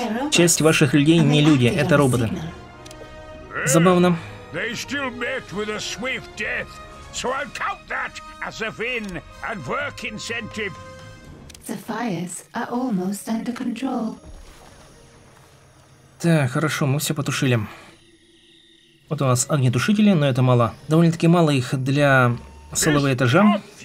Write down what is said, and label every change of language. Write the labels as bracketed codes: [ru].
[ru] Часть ваших людей не люди, это роботы. Забавно. [en] They still met with a swift death, so I'll count that as a win and work incentive. The fires are almost under control. [ru] Так, хорошо, мы все потушили. Вот у нас огнетушители, но это мало. Довольно-таки мало их для целого этажа.